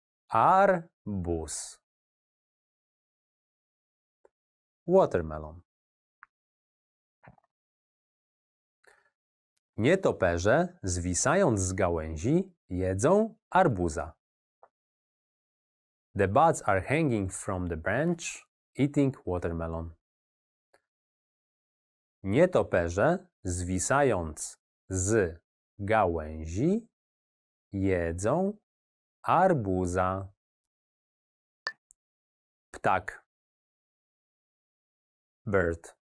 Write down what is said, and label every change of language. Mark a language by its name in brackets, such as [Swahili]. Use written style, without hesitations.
[Polish] Arbus. [English] Watermelon. [Polish] Nietoperze zwisając z gałęzi jedzą arbuza. [English] The buds are hanging from the branch, eating watermelon. [Polish] Nietoperze zwisając z gałęzi jedzą arbuza. Ptak. [English] Bird.